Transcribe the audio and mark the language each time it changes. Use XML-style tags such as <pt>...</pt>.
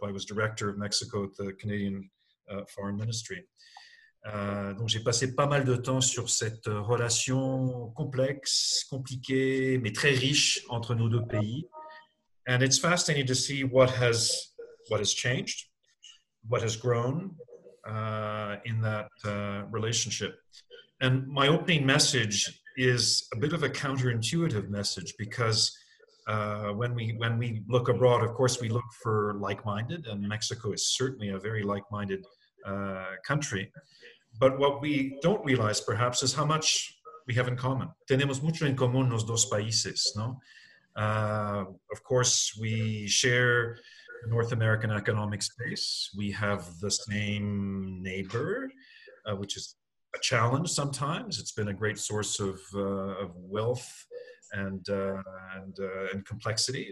<en>I was director of Mexico at the Canadian Foreign Ministry.</en> <fr>Donc j'ai passé pas mal de temps sur cette relation complexe, compliquée, mais très riche entre nos deux pays.</fr> <en>And it's fascinating to see what has changed, what has grown in that relationship. And my opening message is a bit of a counterintuitive message because when we look abroad, of course we look for like-minded, and Mexico is certainly a very like-minded country. But what we don't realize, perhaps, is how much we have in common.</en> <es>Tenemos mucho en común los dos países, ¿no?</es> <en>Of course, we share the North American economic space. We have the same neighbor, which is a challenge sometimes. It's been a great source of wealth and complexity.</en>